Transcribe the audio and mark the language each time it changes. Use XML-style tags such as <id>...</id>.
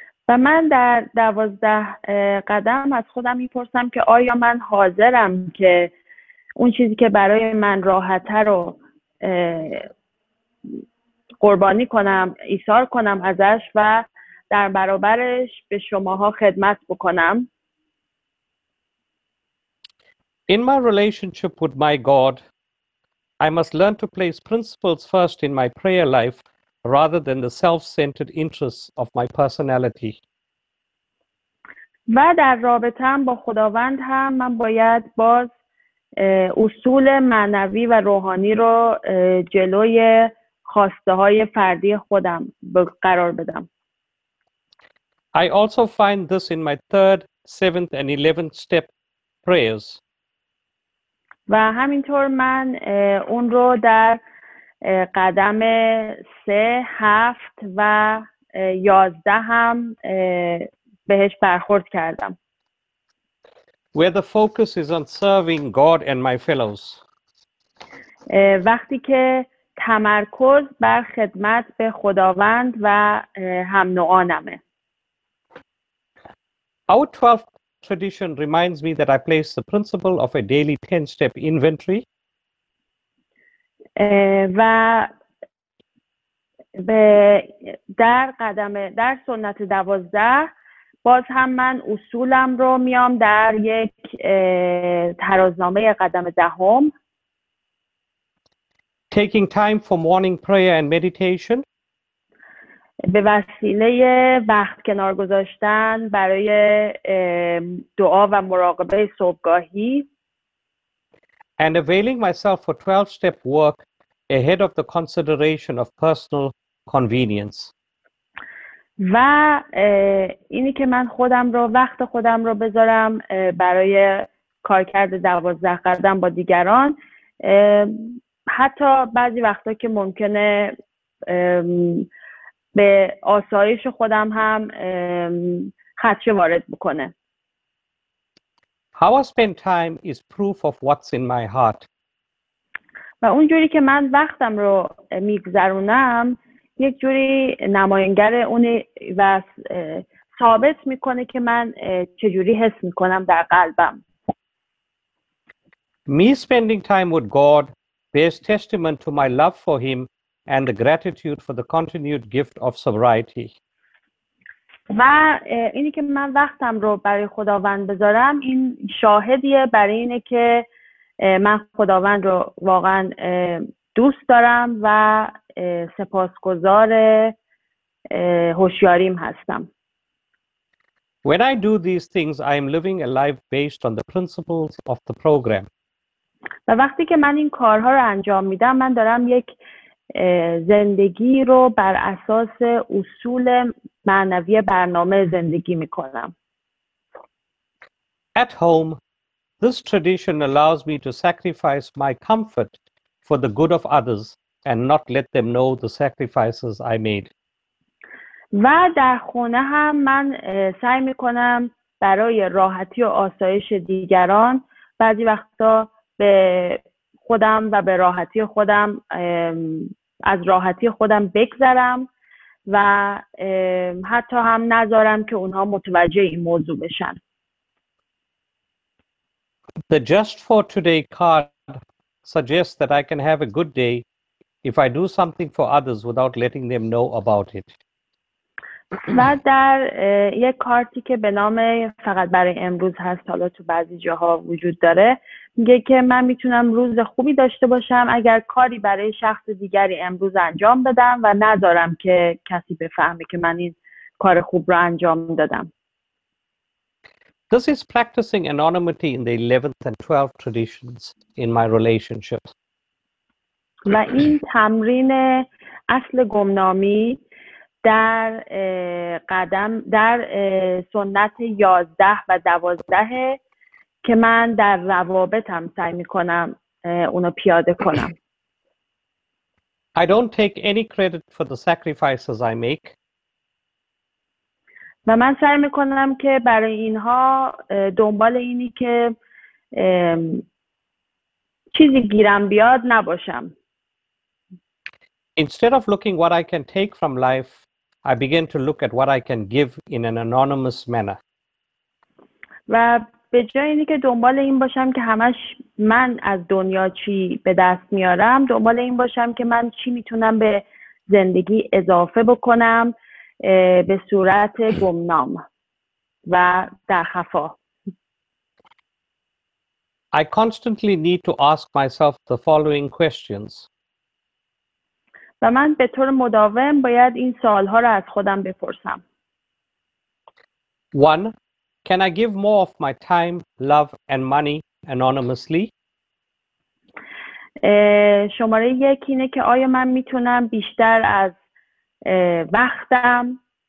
<fa>و من در 12 قدم از خودم میپرسم که آیا من حاضرم که اون چیزی که برای من راحت‌تر رو قربانی کنم، ایثار کنم ازش و در برابرش به شماها خدمت بکنم.</fa> <en>In my relationship with my God, I must learn to place principles first in my prayer life rather than the self-centered interests of my personality.</en> <fa>و در رابطه‌ام با خداوند هم من باید باز اصول معنوی و روحانی رو جلوی خواسته‌های فردی خودم قرار بدم.</fa> <en>I also find this in my third, seventh, and 11th step prayers.</en> <fa>و همینطور من اون رو در قدم 3, 7 و 11 هم بهش برخورد کردم.</fa> <en>Where the focus is on serving God and my fellows.</en> <fa>وقتی که تمرکز بر خدمت به خداوند و هم نوعانمه.</fa> <en>Our 12th tradition reminds me that I place the principle of a daily 10-step inventory.</en> <fa>و به در قدم در سنت 12 باز هم من اصولم رو میام در یک ترازنامه قدم دهم.</fa> <en>Taking time for morning prayer and meditation.</en> <fa>به وسیله وقت کنار گذاشتن برای دعا و مراقبه صبحگاهی.</fa> <en>And availing myself for 12-step work ahead of the consideration of personal convenience.</en> <fa>و اینی که من خودم رو وقت خودم رو بذارم برای کارکرد 12 قدم با دیگران حتی بعضی وقتا که ممکنه به آسایش خودم هم خدشه وارد بکنه.</fa> <en>How I spend time is proof of what's in my heart.</en> <fa>و اونجوری که من وقتم رو میگذرونم یک جوری نماینگر اونی و ثابت میکنه که من چجوری حس میکنم در قلبم.</fa> <en>Me spending time with God bears testament to my love for him and the gratitude for the continued gift of sobriety.</en> <fa>و اینی که من وقتم رو برای خداوند بذارم این شاهدیه برای اینه که من خداوند رو واقعا دوست دارم و سپاسگزار هوشیاریم هستم.</fa> <en>When I do these things, I am living a life based on the principles of the program.</en> <fa>و وقتی که من این کارها رو انجام میدم من دارم یک زندگی رو بر اساس اصول معنوی برنامه زندگی میکنم.</fa> <en>At home, this tradition allows me to sacrifice my comfort for the good of others and not let them know the sacrifices I made.</en> <fa>و در خونه هم من سعی میکنم برای راحتی و آسایش دیگران بعضی وقتا به خودم و به راحتی خودم از راحتی خودم بگذرم و حتی هم نذارم که اونها متوجه این موضوع بشن.</fa> <en>The just for today card suggests that I can have a good day if I do something for others without letting them know about it.</en> <fa>و در یک کارتی که به نام فقط برای امروز هست حالا تو بعضی جاها وجود داره میگه که من میتونم روز خوبی داشته باشم اگر کاری برای شخص دیگری امروز انجام بدم و نذارم که کسی بفهمه که من این کار خوب رو انجام دادم.</fa> <en>This is practicing anonymity in the 11th and 12th traditions in my relationships.</en> <fa>و این تمرین اصل گمنامی در قدم در سنت 11 و 12 که من در روابطم سعی میکنم اونو پیاده کنم.</fa> <en>I don't take any credit for the sacrifices I make.</en> <fa>و من سعی میکنم که برای اینها دنبال اینی که چیزی گیرم بیاد نباشم.</fa> <en>Instead of looking what I can take from life, I begin to look at what I can give in an anonymous manner.</en> <fa>و به جای اینی که دنبال این باشم که همش من از دنیا چی به دست میارم دنبال این باشم که من چی میتونم به زندگی اضافه بکنم به صورت گمنام و در خفا.</fa> <en>I constantly need to ask myself the following questions.</en> <fa>و من به طور مداوم باید این سوال‌ها رو از خودم بپرسم.</fa> <en>1. Can I give more of my time, love and money anonymously?</en> <fa>شماره 1 اینه که آیا من میتونم بیشتر از وقتم،</fa>